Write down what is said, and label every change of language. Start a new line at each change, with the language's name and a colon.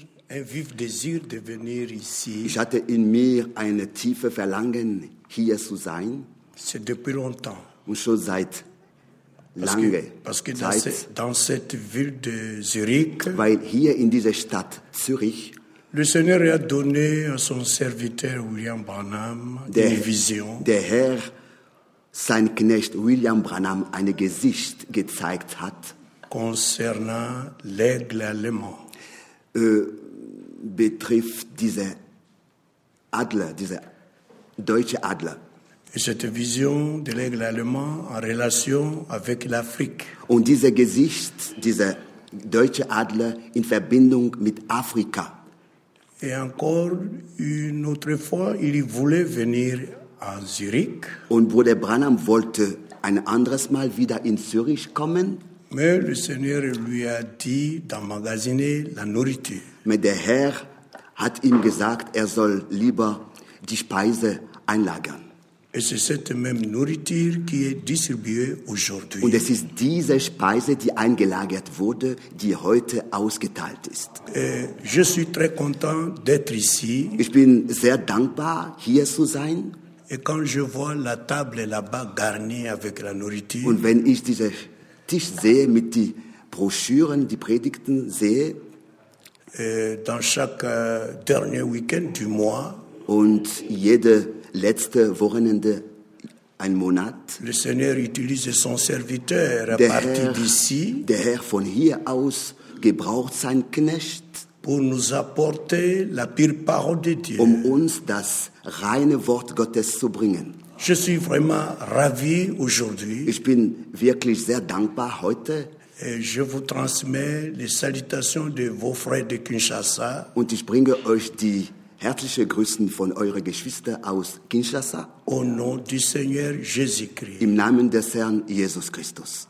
French: Un vif désir de venir ici.
German: J'hatte in mir eine tiefe Verlangen hier zu sein.
French: C'est depuis longtemps.
German: Und schon seit lange.
French: Dans cette ville de Zurich.
German: Weil hier in dieser Stadt Zürich.
French: Le Seigneur a donné à son serviteur William Branham une vision.
German: Der Herr sein Knecht William Branham ein Gesicht gezeigt hat.
French: Concernant l'aigle allemand.
German: Betrifft dieser Adler, dieser deutsche Adler.
French: Et cette vision de l'aigle allemand en relation avec l'Afrique.
German: Und dieses Gesicht, dieser deutsche Adler in Verbindung mit Afrika.
French: Et encore une autre fois, il voulait venir à Zurich.
German: Und Bruder Branham wollte ein anderes Mal wieder in Zürich kommen.
French: Mais le Seigneur lui a dit d'emmagasiner la nourriture.
German: Mais der Herr hat ihm gesagt, soll lieber die Speise einlagern.
French: Et c'est cette même nourriture qui est distribuée aujourd'hui.
German: Und es ist diese Speise, die eingelagert wurde, die heute ausgeteilt ist.
French: Je suis très content d'être ici.
German: Ich bin sehr dankbar, hier zu sein.
French: Et quand je vois la table là-bas garnie avec la nourriture.
German: Und wenn ich diese Tisch sehe mit die Broschüren, die Predigten sehe.
French: Dans chaque dernier week-end du mois.
German: Und jede letzte Wochenende ein Monat.
French: Le Seigneur utilise son serviteur à partir d'ici.
German: Der Herr von hier aus gebraucht sein Knecht.
French: Pour nous apporter la pure parole de Dieu.
German: Um uns das reine Wort Gottes zu bringen.
French: Je suis vraiment ravi aujourd'hui.
German: Ich bin wirklich sehr dankbar heute.
French: Et je vous transmets les salutations de vos frères de Kinshasa.
German: Und ich bringe euch die herzlichen Grüßen von euren Geschwister aus Kinshasa.
French: Au nom du Seigneur Jésus-Christ.
German: Im Namen des Herrn Jesus Christus.